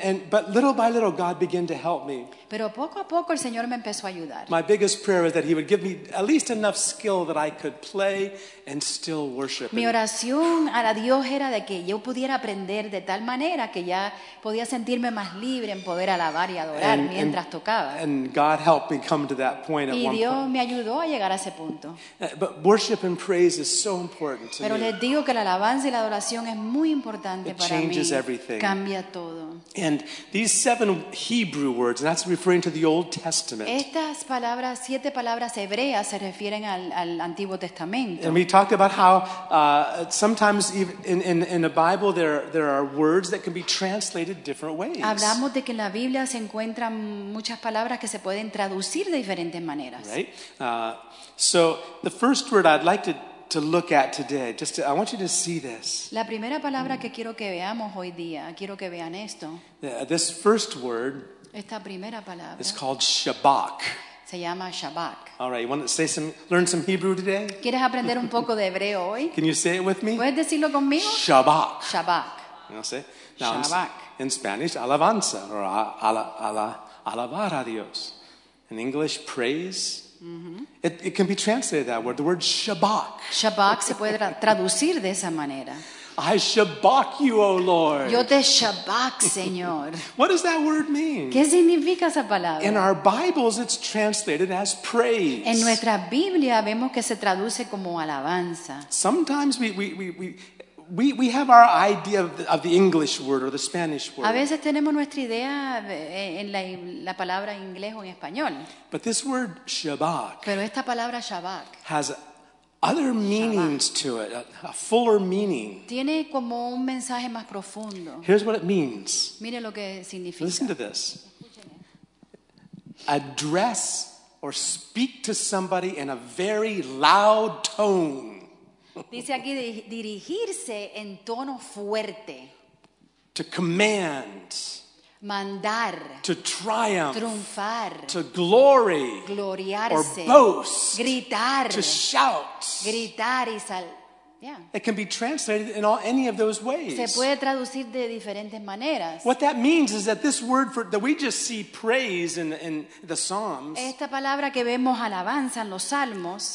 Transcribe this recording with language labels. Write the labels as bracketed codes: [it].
[en] But little by little, God began to help me. [es] Pero poco a poco el Señor me empezó a ayudar. [en] My biggest prayer was that He would give me at least enough skill that I could play and still worship. [es] Mi oración a Dios era de que yo pudiera aprender de tal manera que ya podía sentirme más libre en poder alabar y adorar mientras tocaba. [en] And God helped me come to that point. [es] Y Dios me ayudó a llegar a ese punto. [en] But worship and praise is so important to me. [es] Pero les digo que la alabanza y la adoración es muy importante para mí. [en] It changes everything. everything. [es] Cambia todo. [en] And these seven Hebrew words, and that's referring to the Old Testament. [es] Estas palabras, siete palabras hebreas, se refieren al Antiguo Testamento. [en] And we talked about how sometimes in the Bible there are words that can be translated different ways. [es] Hablamos de que en la Biblia se encuentran muchas palabras que se pueden traducir de diferentes maneras. [en] Right. So the first word I'd like to look at today, I want you to see this. [es] La primera palabra que quiero que veamos hoy día, quiero que vean esto. [en] This first word, [es] esta primera palabra, [en] is called Shabbat. [es] Se llama Shabbat. [en] All right, you want to learn some Hebrew today? [es] ¿Quieres aprender un poco de hebreo hoy? [en] Can you say it with me? [es] ¿Puedes decirlo conmigo? [en] Shabbat. [es] Shabbat. [en] You know, say? Now, Shabbat. In Spanish, alabanza, or [es] alabar a Dios. [en] In English, praise. Mm-hmm. It can be translated that word, the word Shabbat. [es] Shabbat se puede traducir de esa manera. [en] I Shabbat you, O Lord. [es] Yo te Shabbat, Señor. [en] What does that word mean? [es] ¿Qué significa esa palabra? [en] In our Bibles, it's translated as praise. [es] En nuestra Biblia vemos que se traduce como alabanza. [en] Sometimes we have our idea of the English word or the Spanish word. [es] A veces tenemos nuestra idea en la palabra en inglés o en español. [en] But this word Shabbat. [es] Pero esta palabra Shabbat [en] has other meanings Shabbat to it, a fuller meaning. [es] Tiene como un mensaje más profundo. [en] Here's what it means. [es] Mire lo que significa. [en] Listen to this. Address or speak to somebody in a very loud tone. [es] Dice aquí dirigirse en tono fuerte. [en] To command. [es] Mandar. [en] To triumph. [es] Triunfar. [en] To glory. [es] Gloriarse. [en] Or boast. [es] Gritar. [en] To shout. [es] Gritar y sal. Yeah. [en] It can be translated in any of those ways. [es] Se puede traducir de diferentes maneras. [en] What that means is that this word that we just see praise in the Psalms. [es] Esta palabra que vemos alabanza en los Salmos.